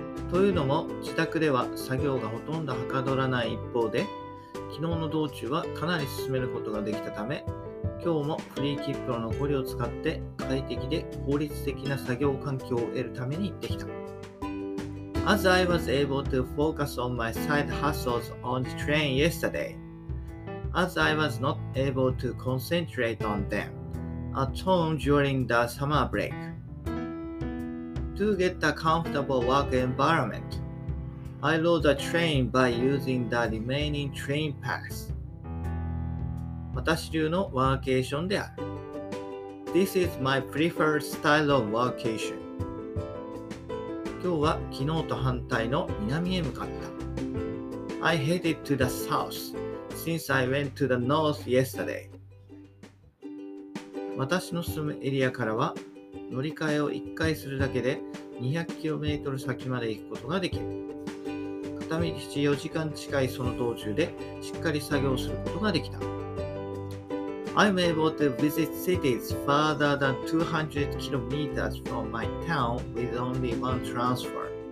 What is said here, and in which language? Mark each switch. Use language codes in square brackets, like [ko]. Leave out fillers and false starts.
[ja] というのも自宅では作業がほとんどはかどらない一方で、昨日の道中はかなり進めることができたため、今日もフリーキップの残りを使って快適で効率的な作業環境を得るために行ってきた。 [en] As I was able to focus on my side hustles on the train yesterday, as I was not able to concentrate on them at home during the summer break. To get a comfortable work environment, I load the train by using the remaining train pass. [ja] 私流のワーケーションである。 [en] This is my preferred style of vacation. [ja] 今日は昨日と反対の南へ向かった。 [en] I headed to the south since I went to the north yesterday. [ja] 私の住むエリアからは乗り換えを1回するだけで 200km 先まで行くことができる。片道4時間近いその道中でしっかり作業することができた。 [en] I'm able to visit cities farther than 200km from my town with only one transfer.